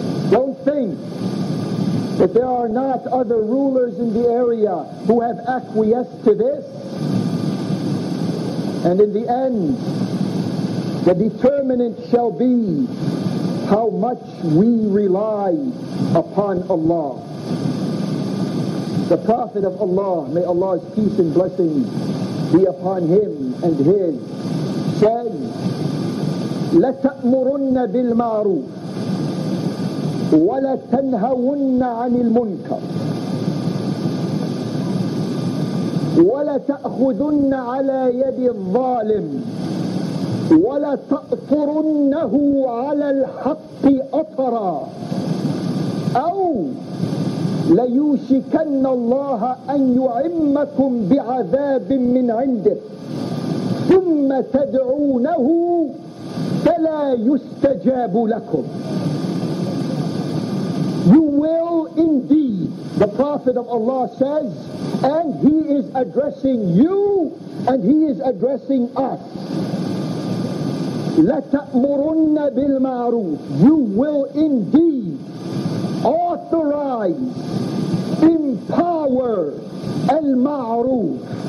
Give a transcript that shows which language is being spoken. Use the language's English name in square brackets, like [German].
[English] Don't think that there are not other rulers in the area who have acquiesced to this. And in the end, the determinant shall be how much we rely upon Allah. The Prophet of Allah, may Allah's peace and blessings be upon him and his, said, [Arabic] لَتَأْمُرُنَّ بِالْمَعْرُوفِ وَلَتَنْهَوُنَّ عَنِ الْمُنْكَرِ وَلَتَأْخُذُنَّ عَلَى يَدِ الظَّالِمِ وَلَتَأْثُرُنَّهُ عَلَى الْحَقِّ أَطْرًا أَوْ لَيُوشِكَنَّ اللَّهَ أَنْ يُعِمَّكُمْ بِعَذَابٍ مِّنْ عِنْدِهِ ثُمَّ تَدْعُونَهُ فَلَا يُسْتَجَابُ لَكُمْ. [English] You will indeed, the Prophet of Allah says, and he is addressing you, and he is addressing us. [Arabic] لَتَأْمُرُنَّ بِالْمَعْرُوفِ. [English] You will indeed authorize, empower المعروف.